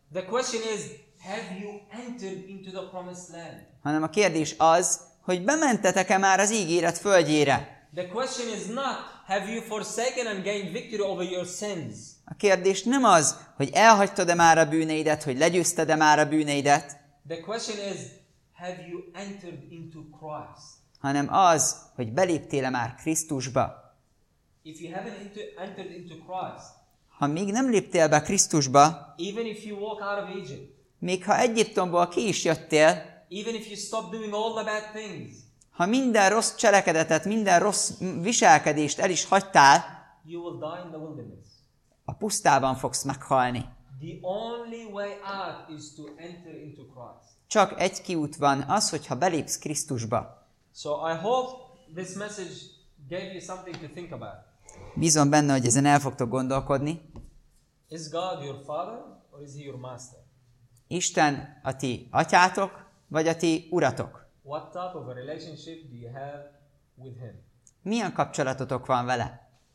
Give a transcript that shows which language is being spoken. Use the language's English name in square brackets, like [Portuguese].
[English] The question is, have you entered into the promised land? [Hungarian] Hanem a kérdés az, hogy bementetek-e már az ígéret földjére. [English] The question is not, have you forsaken and gained victory over your sins? [Hungarian] A kérdés nem az, hogy elhagytad-e már a bűneidet, hogy legyőzted-e már a bűneidet. [English] The question is, have you entered into Christ? [Hungarian] Hanem az, hogy beléptél-e már Krisztusba. [English] If you haven't entered into Christ, [Hungarian] ha még nem léptél be Krisztusba, [English] even if you walk out of Egypt, [Hungarian] még ha Egyiptomból ki is jöttél, [English] even if you stop doing all the bad things, [Hungarian] ha minden rossz cselekedetet, minden rossz viselkedést el is hagytál, [English] you will die in the wilderness. [Hungarian] A pusztában fogsz meghalni. [English] The only way out is to enter into Christ. [Hungarian] Csak egy kiút van, az, hogyha belépsz Krisztusba. [English] So I hope this message gave you something to think about. [Hungarian] Bízom benne, hogy ezen el fogtok gondolkodni. [English] Is God your father, or is he your master? [Hungarian] Isten a ti atyátok, vagy a ti uratok? [English] What type of a relationship do you have with him? [Hungarian] Milyen kapcsolatotok van vele?